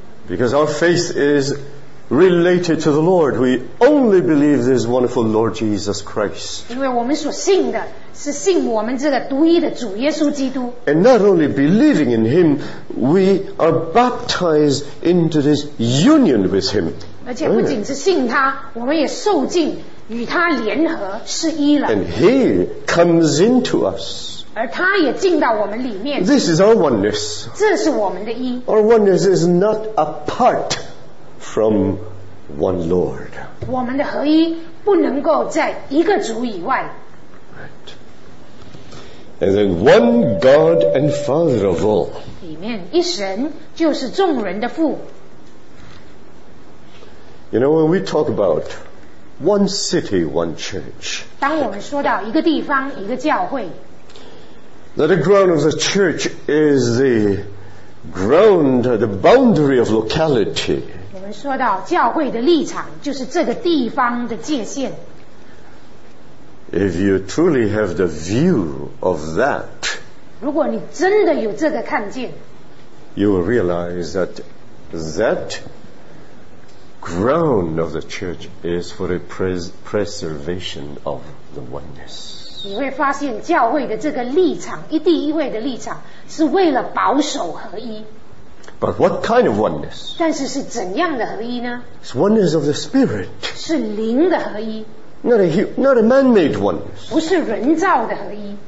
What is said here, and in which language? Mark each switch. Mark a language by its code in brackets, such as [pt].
[en] Because our faith is related to the Lord. We only believe this wonderful Lord Jesus Christ. [zh] 因为我们所信的是信我们这个独一的主耶稣基督。 [en] And not only believing in him, we are baptized into this union with him. [zh] 而且不仅是信他，我们也受浸与他联合，是一了。 [en] And he comes into us. [zh] 而他也进到我们里面。 [en] This is our oneness. [zh] 这是我们的一。 [en] Our oneness is not apart from one Lord. [zh] 我们的合一不能够在一个主以外。 [en] And then one God and Father of all. [zh] 里面一神就是众人的父。 [en] You know, when we talk about one city, one church, [zh] 当我们说到一个地方，一个教会， [en] that the ground of the church is the ground, the boundary of locality. [zh] 我们说到教会的立场，就是这个地方的界限。 [en] If you truly have the view of that, [zh] 如果你真的有这个看见， [en] you will realize that that ground of the church is for the preservation of the oneness. [zh] 你会发现教会的这个立场，一地一位的立场，是为了保守合一。 [en] But what kind of oneness? [zh] 但是是怎样的合一呢？ [en] It's oneness of the spirit. [zh] 是灵的合一。 [en] Not a man-made oneness. [zh] 不是人造的合一。